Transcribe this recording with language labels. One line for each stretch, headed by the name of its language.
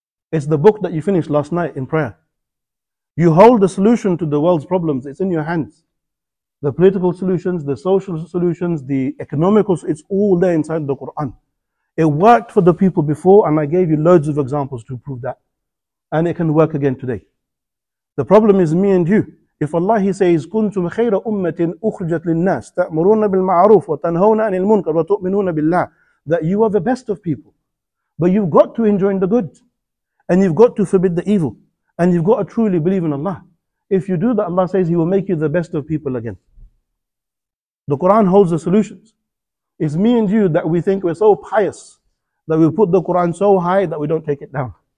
English: It's the book that you finished last night in prayer. You hold the solution to the world's problems. It's in your hands. The political solutions, the social solutions, the economical, it's all there inside the Quran. It worked for the people before, and I gave you loads of examples to prove that. And it can work again today. The problem is me and you. If Allah, He says,
Arabic: كُنْتُمْ خَيْرَ أُمَّةٍ أُخْرِجَتْ لِلنَّاسِ تَأْمُرُونَ بِالْمَعْرُوفِ وَتَنْهَوْنَ عَنِ الْمُنْكَرِ وَتُؤْمِنُونَ بِاللَّهِ,
English: that you are the best of people. But you've got to enjoin the good. And you've got to forbid the evil. And you've got to truly believe in Allah. If you do that, Allah says He will make you the best of people again. The Quran holds the solutions. It's me and you that we think we're so pious that we put the Quran so high that we don't take it down.